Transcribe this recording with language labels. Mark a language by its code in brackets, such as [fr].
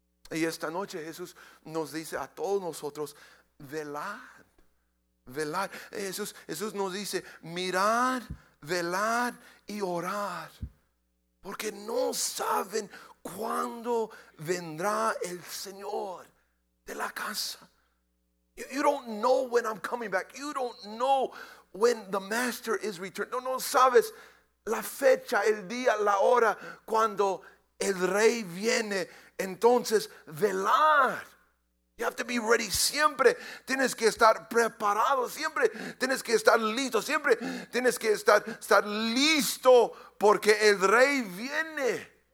[es] Y esta noche Jesús nos dice a todos nosotros, velad, velad. Jesús nos dice, mirad, velad y orad. Porque no saben cuándo vendrá el Señor de la casa. [en] You don't know when I'm coming back. You don't know when the master is returned. [es] No sabes la fecha, el día, la hora cuando el rey viene. Entonces, velar. [en] You have to be ready. [es] Siempre tienes que estar preparado. Siempre tienes que estar listo. Siempre tienes que estar listo porque el rey viene.